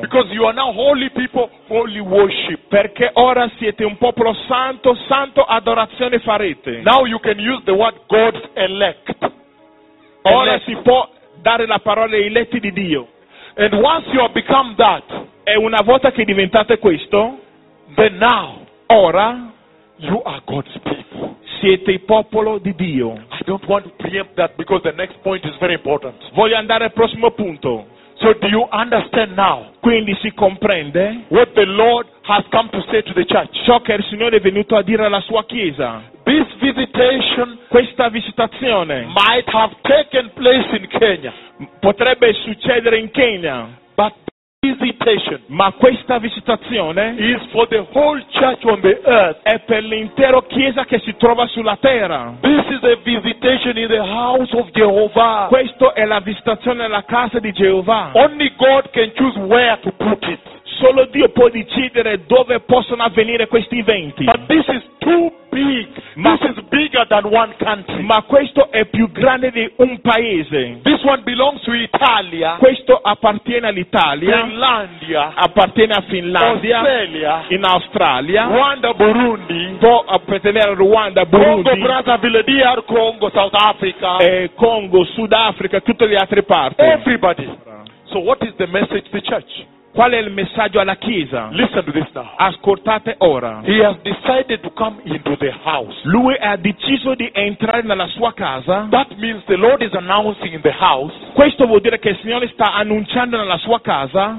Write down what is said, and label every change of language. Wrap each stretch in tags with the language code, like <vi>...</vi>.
<en>Because you are now holy people, holy worship.</en> <it>Perché ora siete un popolo santo, santo adorazione farete.</it> <en>Now you can use the word God's elect.</en> <it>Ora elect. Si può dare la parola eletti di Dio.</it> <en>And once you have become that,</en> <it>e una volta che diventate questo,</it> <en>then now,</en> <it>ora,</it> <en>you are God's people.</en> <it>Siete il popolo di Dio.</it> <en>I don't want to preempt that because the next point is very important.</en> <it>Voglio andare al prossimo punto.</it> <en>So do you understand now?</en> <it>Quindi si comprende?</it> <en>What the Lord has come to say to the church.</en> <it>Ciò che il Signore è venuto a dire alla sua chiesa.</it> <en>This visitation,</en> <it>questa visitazione,</it> <en>might have taken place in Kenya.</en> <it>Potrebbe succedere in Kenya.</it> <en>But visitation,</en> <it>ma questa visitazione,</it> <en>is for the whole church on the earth.</en> <it>È per l'intero chiesa che si trova sulla terra.</it> <en>This is a visitation in the house of Jehovah.</en> <it>Questo è la visitazione nella casa di Geova.</it> <en>Only God can choose where to put it.</en> <it>Solo Dio può decidere dove possono avvenire questi eventi.</it> <en>But this is too big. This is bigger than one country.</en> <it>Ma questo è più grande di un paese.</it> <en>This one belongs to Italia.</en> <it>Questo appartiene all'Italia.</it> <en>Finlandia.</en> <it>Appartiene a Finlandia.</it> <en>Australia.</en> <it>In Australia.</it> <en>Rwanda, Burundi.</en> <it>Può appartenere a Rwanda, Burundi.</it> <en>Congo, Brazzaville, DR Congo, South Africa.</en> <it>E Congo, Sud Africa, tutte le altre parti.</it> <en>Everybody. So what is the message to the church?</en> <it>Qual è il messaggio alla chiesa?</it> <en>Listen to this now.</en> <it>Ascoltate ora.</it> <en>He has decided to come into the house.</en> <it>Lui ha deciso di entrare nella sua casa.</it> <en>That means the Lord is announcing in the house.</en> <it>Questo vuol dire che il Signore sta annunciando nella sua casa.</it>